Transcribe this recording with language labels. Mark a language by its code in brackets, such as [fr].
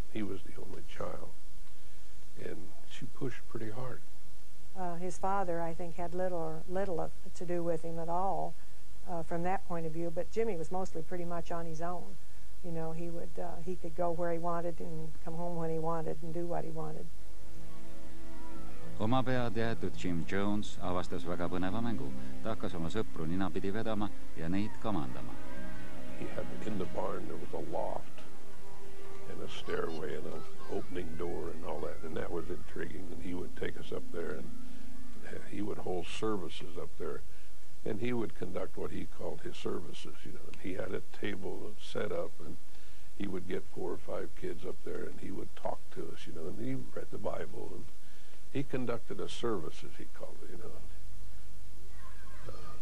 [en] He was the only child, and she pushed pretty hard. His father, I think, had little to do with him at all from that point of view, but Jimmy was mostly pretty much on his own. You know, he would he could go where he wanted and come home when he wanted and do what he wanted. [et] Oma pea teatud Jim Jones avastas väga põneva mängu. Ta hakkas oma sõpru ninapidi vedama ja neid kamandama. [en] He had in the barn, there was a loft and a stairway and an opening door and all that, and that was intriguing. And he would take us up there, and he would hold services up there, and he would conduct what he called his services, you know. And he had a table set up, and he would get four or five kids up there, and he would talk to us, you know, and he read the Bible, and he conducted a service, as he called it, you know.